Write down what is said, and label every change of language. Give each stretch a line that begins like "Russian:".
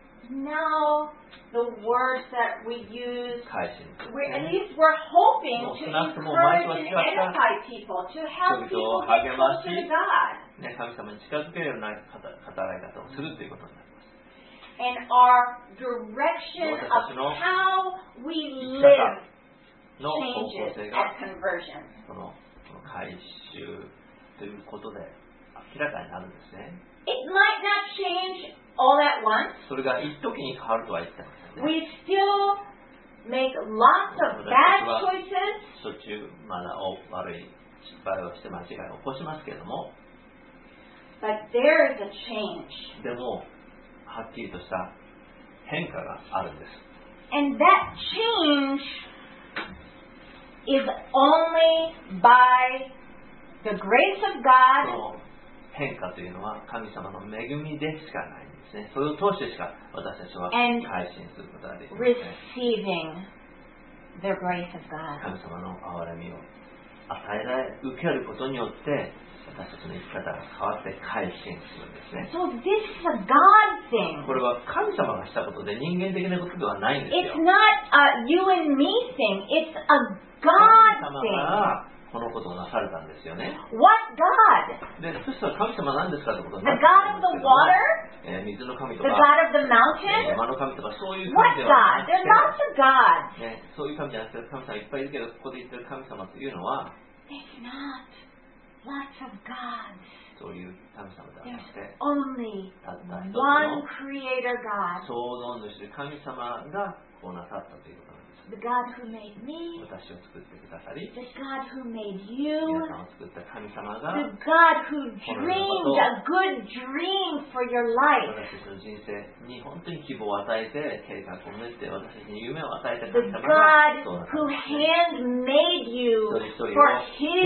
English: Now, the words that we use, we're hoping to encourage and edify people to help people get closer to God.
Japanese: ね、神様に近づけるような働き方をするということになる。
English: And our direction of how we live.
Japanese: の方向性が
English: changes,
Japanese: その改宗ということで明らかになるんですね。
English: It might not change all at once.
Japanese: それが一時に変わるとは言ってませんね。
English: We still make lots of bad choices.
Japanese: しょっちゅうまだ悪い失敗をして間違いを起こしますけれども。
English: But there is a change.
Japanese: でもはっきりとした変化があるんです。
English: And that change is only by the grace of God.
Japanese: 変化というのは神様の恵みでしかないんですね。それを通してしか私たちは改心することができない。
English: Receiving the grace of God.
Japanese: 神様の憐れみを与えられ受けることによって私たちの生き方が変わって改心するんですね。
English: So this is a God thing.
Japanese: これは神様がしたことで人間的なことではないんですよ。
English: It's not a you and me thing. It's a God thing.
Japanese: 神様がこのことをなされたんですよね。
English: What God?
Japanese: で、そしたら神様は何ですかってことになるんですけど、ね。
English: The God of the water?
Japanese: 水の神とか。
English: The God of the mountain?
Japanese: 山の神とかそういう神ではなくて。
English: What God? There are lots of gods.
Japanese: ね、そういう神じゃなくて神様いっぱいいるけど、ここで言ってる神様というのは。
English: It's not lots of gods.
Japanese: そういう神様ではなくて。
English: Only one creator God.
Japanese: 創造主神様がこうなさったということ。
English: The God who made me,
Japanese: 私を作ってくださり、
English: the God who made you,
Japanese: 皆さんを作った神様が、
English: the God who dreamed a good dream for your life,
Japanese: 私たちの人生に本当に希望を与えて、計画を持って、私たちに夢を与えた神様が、
English: the God who handmade you for His purposes,